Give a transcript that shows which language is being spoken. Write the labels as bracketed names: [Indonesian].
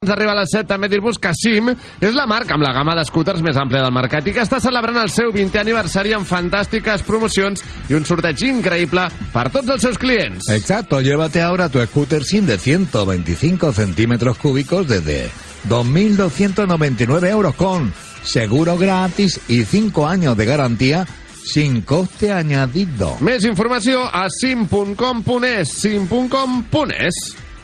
[Catalan] Ens arriba a les 7 també dir-vos que Sim és la marca amb la gamma d'escúters més àmplia del mercat i que està celebrant el seu 20è aniversari amb fantàstiques promocions i un sorteig increïble per tots els seus clients. [Spanish] Exacto, llévate ahora tu scooter Sim de 125 centímetros cúbicos desde 2.299 euros con seguro gratis y 5 años de garantía sin coste añadido. [Catalan] Més informació a sim.com.es, sim.com.es.